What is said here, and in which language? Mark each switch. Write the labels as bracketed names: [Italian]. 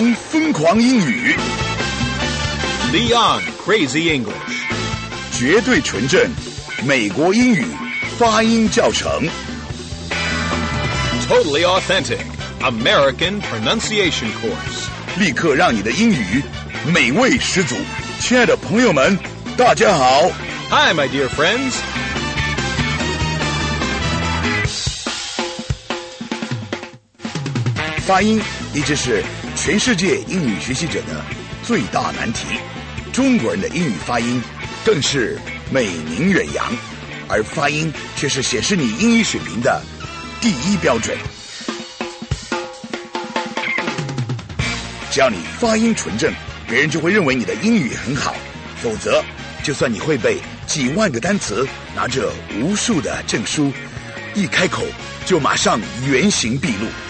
[Chinese] 疯狂英语 [English] Leon Crazy English [Chinese] 绝对纯正美国英语发音教程 [English] Totally Authentic American Pronunciation Course [Chinese] 立刻让你的英语美味十足亲爱的朋友们大家好 [English] Hi my dear friends [Chinese] 发音一直是全世界英语学习者的最大难题中国人的英语发音更是美名远扬而发音却是显示你英语水平的第一标准只要你发音纯正别人就会认为你的英语很好否则就算你会背几万个单词拿着无数的证书一开口就马上原形毕露